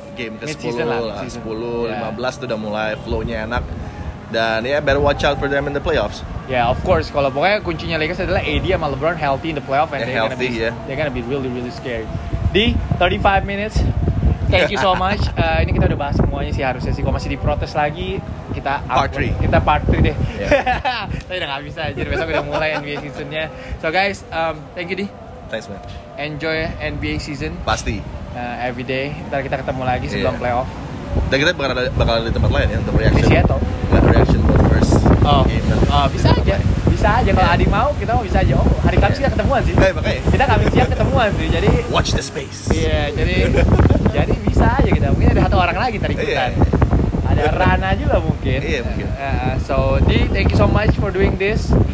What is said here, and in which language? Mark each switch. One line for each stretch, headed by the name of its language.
Indonesian: Game ke-10, 15 itu udah mulai flow-nya enak.
English: Dan ya, better watch out for them in the playoffs. Of course,
Indonesian: kalau pokoknya kuncinya Lakers adalah AD sama LeBron
English: healthy in the playoffs. And they're gonna be really, really scary.
Indonesian: Di 35 minutes.
English: Thank you so much.
Indonesian: Ini kita udah bahas semuanya sih harusnya sih. Kalau masih diprotes lagi, kita kita
English: part 3.
Indonesian: Kita part 3 deh. Yeah. Tapi udah enggak bisa anjir, besok udah mulai NBA season-nya.
English: So guys, thank you Di. Thanks man. Enjoy NBA season.
Indonesian: Pasti.
English: Every day.
Indonesian: Ntar kita ketemu lagi sebelum playoff. Dan kita bakal di tempat lain ya untuk reaction. Di Seattle. Nah, reaction buat first game. Bisa aja. Bisa aja kalau Adi mau, kita mau bisa aja. Oh, hari Kamis kita ketemuan sih. Baik, makanya. Kita Kamis siang ketemuan sih. Jadi
English: watch the space.
Indonesian: Iya, jadi jadi bisa aja kita. Mungkin ada satu orang lagi tadi ikutan. Ada Rana juga mungkin. Iya, mungkin.
English: So, Di, thank you so much for doing this.